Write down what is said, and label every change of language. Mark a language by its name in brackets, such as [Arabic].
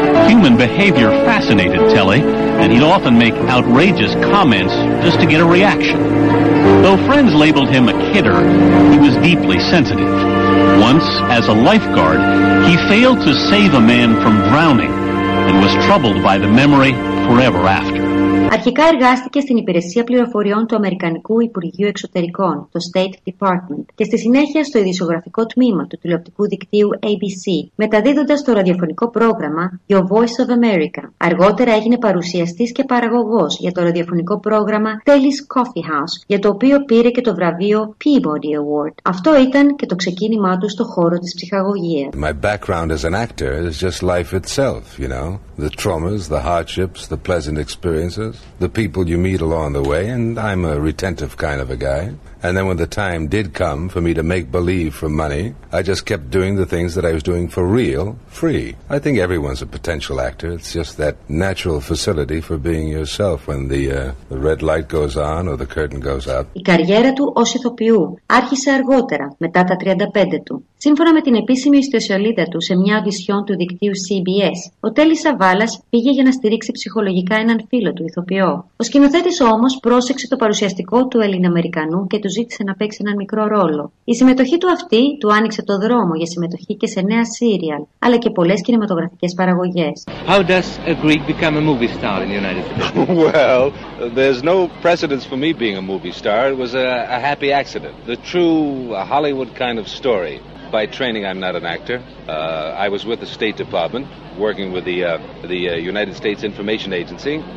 [English] Human behavior fascinated Telly, and he'd often make outrageous comments just to get a reaction. Though friends labeled him a kidder, he was deeply sensitive. Once, as a lifeguard, he failed to save a man from drowning and was troubled by the memory forever after. [Greek] Αρχικά εργάστηκε στην υπηρεσία πληροφοριών του Αμερικανικού Υπουργείου Εξωτερικών, το State Department, και στη συνέχεια στο ειδησιογραφικό τμήμα του τηλεοπτικού δικτύου ABC, μεταδίδοντας το ραδιοφωνικό πρόγραμμα Your Voice of America. Αργότερα έγινε παρουσιαστής και παραγωγός για το ραδιοφωνικό πρόγραμμα Telly's Coffee House, για το οποίο πήρε και το βραβείο Peabody Award. Αυτό ήταν και το ξεκίνημά του στο χώρο της ψυχαγωγίας. [English] My background as an actor is just life itself, you know. The traumas, the hardships, the pleasant experiences, the people you meet along the way, and I'm a retentive kind of a guy. And then when the time did come for me to make believe for money, I just kept doing the things that I was doing for real, free. I think everyone's a potential actor. It's just that natural facility for being yourself when the red light goes on or the curtain goes up. [Greek] Η καριέρα του ως ηθοποιού άρχισε αργότερα, μετά τα 35 του. Σύμφωνα με την επίσημη ιστοσελίδα του σε μια audition του δικτύου CBS, ο Τέλη Σαβάλας πήγε για να στηρίξει ψυχολογικά έναν φίλο του ηθοποιό. Ο σκηνοθέτης όμως πρόσεξε το παρουσιαστικό του Ελληναμερικανού και του ζήτησε να παίξει έναν μικρό ρόλο. Η συμμετοχή του αυτή του άνοιξε το δρόμο για συμμετοχή και σε νέα σύριαλ, αλλά και πολλές κινηματογραφικές παραγωγές. [English] How does a Greek become a movie star in the United States? Well, there's no precedence for me being a movie star. It was a happy accident. The true Hollywood kind of story. By training, I'm not an actor. I was with the State Department, working with the United States Information Agency.